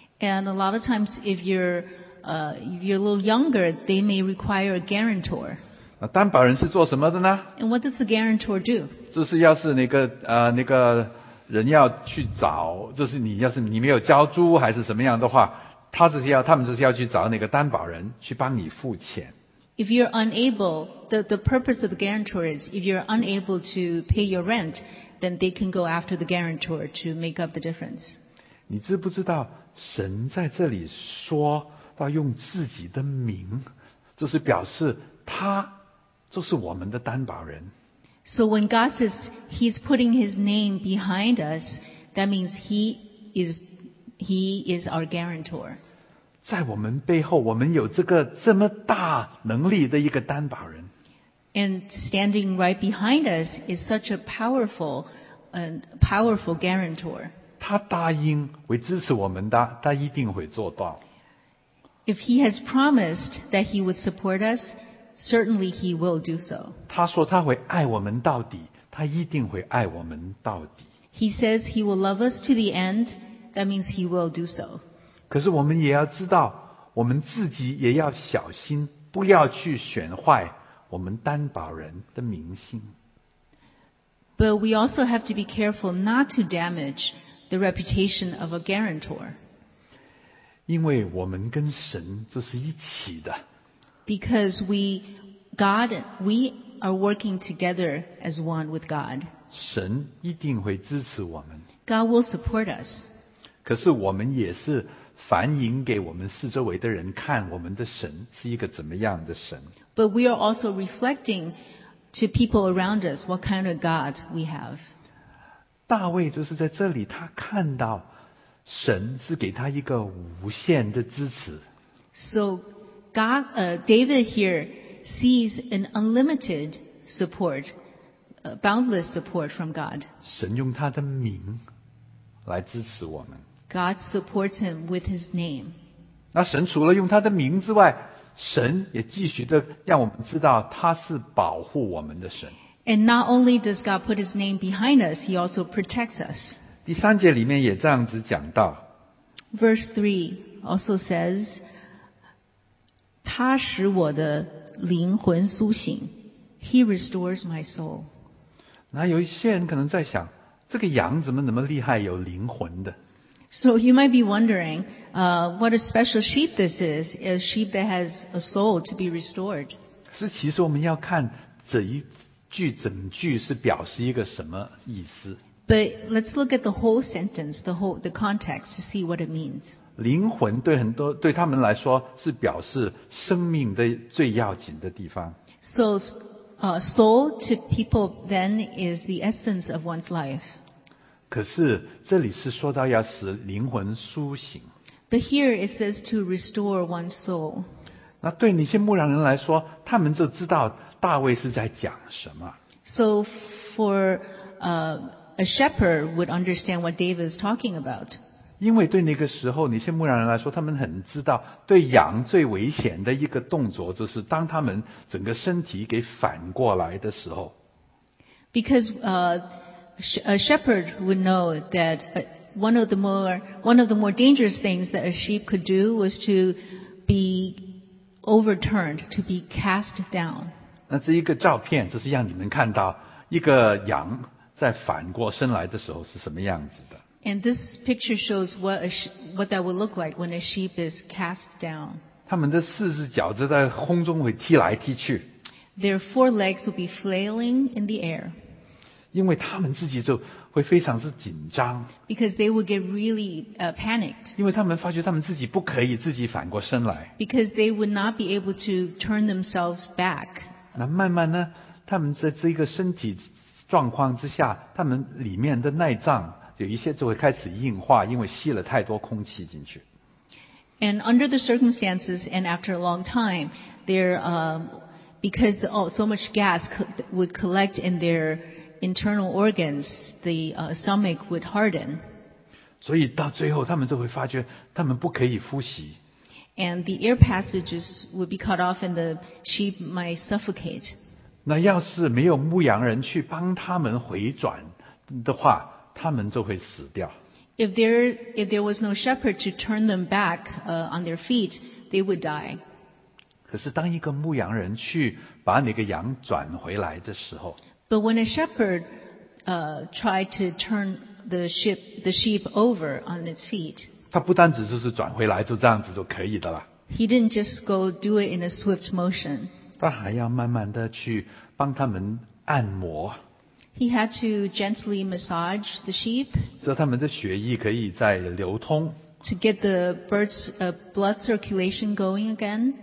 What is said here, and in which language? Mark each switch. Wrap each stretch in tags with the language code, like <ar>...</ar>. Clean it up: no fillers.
<en>And a lot of times if you're if you're a little younger, they may require a guarantor.</en> <zh>那担保人是做什么的呢？</zh> <en>And what does the guarantor do?</en> <zh>就是要是那个那个人要去找，就是你要是你没有交租还是什么样的话，他们就是要去找那个担保人去帮你付钱。</zh> <en>If you're unable, the purpose of the guarantor is if you're unable to pay your rent, then they can go after the guarantor to make up the difference.</en> <zh>你知不知道神在这里说？要用自己的名，就是表示他就是我们的担保人。</zh> <en>So when God says He's putting His name behind us, that means He is our guarantor.</en> <zh>在我们背后，我们有这个这么大能力的一个担保人。</zh> <en>And standing right behind us is such a powerful, powerful guarantor.</en> <zh>他答应会支持我们的，他一定会做到。</zh> <en>If he has promised that he would support us, certainly he will do so.</en> <zh>他说他会爱我们到底，他一定会爱我们到底。</zh> <en>He says he will love us to the end, that means he will do so.</en> <zh>可是我们也要知道，我们自己也要小心，不要去选坏我们担保人的名声。</zh> <en>But we also have to be careful not to damage the reputation of a guarantor.</en> <zh>因为我们跟神就是一起的。</zh> <en>Because we are working together as one with God.</en> <zh>神一定会支持我们。</zh> <en>God will support us.</en> <zh>可是我们也是反映给我们四周围的人看我们的神是一个怎么样的神。</zh> <en>But we are also reflecting to people around us what kind of God we have.</en> <zh>大卫就是在这里他看到神是给他一个无限的支持。</zh> <en>So God, David here sees an unlimited support, boundless support from God.</en> <zh>神用他的名来支持我们。</zh> <en>God supports him with his name.</en> <zh>那神除了用他的名之外，神也继续的让我们知道他是保护我们的神。</zh> <en>And not only does God put his name behind us, he also protects us.</en> <zh>第三节里面也这样子讲到。</zh> <en>Verse 3 also says,</en> <zh>他使我的灵魂苏醒。</zh> <en>He restores my soul.</en> <zh>那有一些人可能在想，这个羊怎么那么厉害有灵魂的？</zh> <en>So you might be wondering, what a special sheep this is, a sheep that has a soul to be restored.</en> <zh>是其实我们要看这一句整句是表示一个什么意思。</zh> <en>But let's look at the whole sentence, the context to see what it means.</en> <zh>灵魂对很多对他们来说是表示生命的最要紧的地方。</zh> <en>So, soul to people then is the essence of one's life.</en> <zh>可是这里是说到要使灵魂苏醒。</zh> <en>But here it says to restore one's soul.</en> <zh>那对那些牧羊人来说，他们就知道大卫是在讲什么。</zh> <en>So for a shepherd would understand what David is talking about.</en> <zh>因为对那个时候那些牧羊人来说，他们很知道对羊最危险的一个动作，就是当他们整个身体给反过来的时候。</zh> <en>Because a shepherd would know that one of the more dangerous things that a sheep could do was to be overturned, to be cast down.</en> <zh>那这一个照片，这是让你们看到一个羊在反过身来的时候是什么样子的。</zh> <en>And this picture shows what that would look like when a sheep is cast down.</en> <zh>他们的四只脚就在空中会踢来踢去。</zh> <en>Their four legs will be flailing in the air.</en> <zh>因为他们自己就会非常是紧张。</zh> <en>Because they would get really panicked.</en> <zh>因为他们发觉他们自己不可以自己反过身来。</zh> <en>Because they would not be able to turn themselves back.</en> <zh>那慢慢呢，他们在这个身体状况之下，他们里面的内脏有一些就会开始硬化，因为吸了太多空气进去。</zh> <en>And under the circumstances, and after a long time, so much gas would collect in their internal organs, the stomach would harden.</en> <zh>所以到最后他们就会发觉他们不可以呼吸。</zh> <en>And the air passages would be cut off and the sheep might suffocate.</en> <zh>那要是没有牧羊人去帮他们回转的话，他们就会死掉。</zh> <en>If there was no shepherd to turn them back on their feet, they would die.</en> <zh>可是当一个牧羊人去把那个羊转回来的时候，</zh> <en>But when a shepherd tried to turn the sheep over on its feet,</en> <zh>他不单只是转回来就这样子就可以的了。</zh> <en>He didn't just go do it in a swift motion.</en> <zh>他还要慢慢的去帮他们按摩。</zh> <en>He had to gently massage the sheep.</en> <zh>让他们的血液可以再流通。</zh> <en>To get the bird's blood circulation going again.</en>